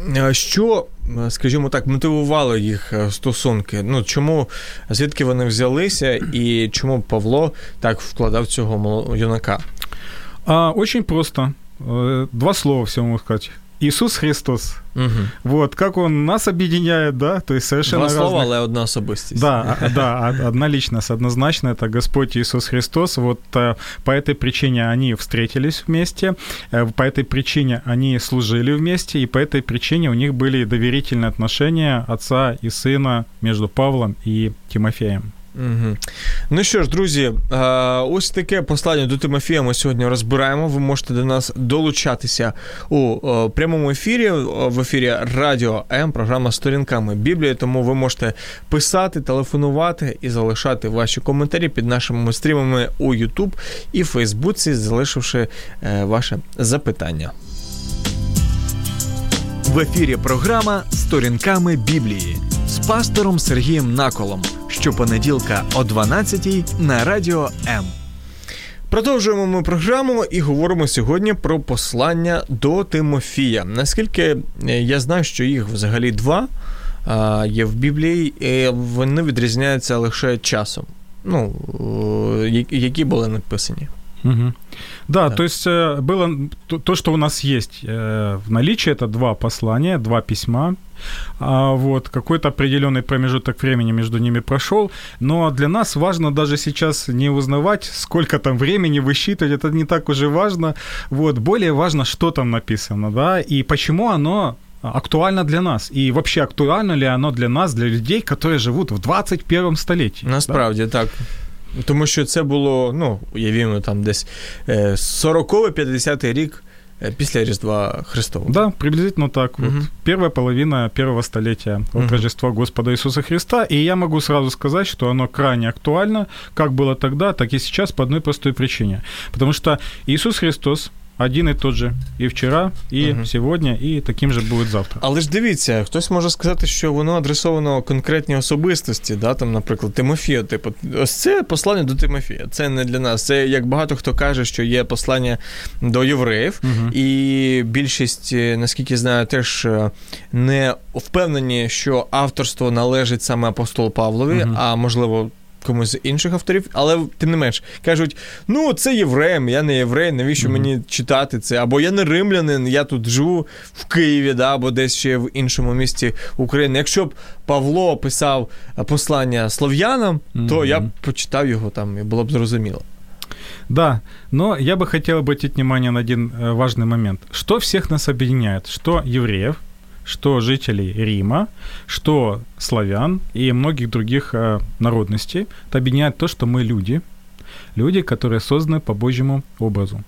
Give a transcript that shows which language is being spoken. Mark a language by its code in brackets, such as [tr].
[uk] Що, скажімо так, мотивувало їх стосунки? Ну, чому, звідки вони взялися і чому Павло так вкладав цього юнака? [ru] Очень просто. [uk] Два слова всьому можу сказати. Ісус Христос. [ru] Вот, как он нас объединяет, да, то есть совершенно разные. [uk] Два слова, але одна особистість. [ru] Да, да, одна личность, однозначно, это Господь Иисус Христос, вот по этой причине они встретились вместе, по этой причине они служили вместе, и по этой причине у них были доверительные отношения отца и сына между Павлом и Тимофеем. [uk] Ну що ж, друзі, ось таке послання до Тимофія ми сьогодні розбираємо. Ви можете до нас долучатися у прямому ефірі, в ефірі Радіо М, програма «Сторінками Біблії», тому ви можете писати, телефонувати і залишати ваші коментарі під нашими стрімами у YouTube і Фейсбуці, залишивши ваше запитання. В ефірі програма «Сторінками Біблії» з пастором Сергієм Наколом. Щопонеділка о 12:00 на Радіо М. Продовжуємо ми програму і говоримо сьогодні про послання до Тимофія. Наскільки я знаю, що їх взагалі два є в Біблії, і вони відрізняються лише часом, ну, які були написані. Угу. [ru] Да, так. То есть было то, что у нас есть в наличии, это два послания, два письма. А вот какой-то определенный промежуток времени между ними прошел. Но для нас важно даже сейчас не узнавать, сколько там времени высчитывать, это не так уже важно. Вот, более важно, что там написано, да, и почему оно актуально для нас. И вообще актуально ли оно для нас, для людей, которые живут в 21-м столетии. [uk] Насправді, да? Так. Тому що це було, ну, уявімо, там десь 40-50 рік після Різдва Христова. [ru] Да, приблизительно так. Угу. Вот, первая половина первого столетия от Рождества Господа Иисуса Христа. И я могу сразу сказать, что оно крайне актуально, как было тогда, так и сейчас, по одной простой причине. Потому что Иисус Христос один и тот же и вчера, и сегодня, и таким же будет завтра. [uk] Але ж дивіться, хтось може сказати, що воно адресовано конкретній особистості, да, там, наприклад, Тимофію. Типу, ось це послання до Тимофія, це не для нас. Це, як багато хто каже, що є послання до євреїв, і більшість, наскільки знаю, теж не впевнені, що авторство належить саме апостолу Павлові, а, можливо, комусь з інших авторів, але тим не менш кажуть, ну це євреям, я не єврей, навіщо мені читати це, або я не римлянин, я тут живу в Києві, да, або десь ще в іншому місті України. Якщо б Павло писав послання слов'янам, то я б почитав його там, і було б зрозуміло. [ru] Да, но я би хотів обратити внимание на один важний момент. [uk] Що всіх нас об'єднує? Що євреїв, [ru] что жителей Рима, что славян и многих других народностей, это объединяет то, что мы люди, люди, которые созданы по Божьему образу.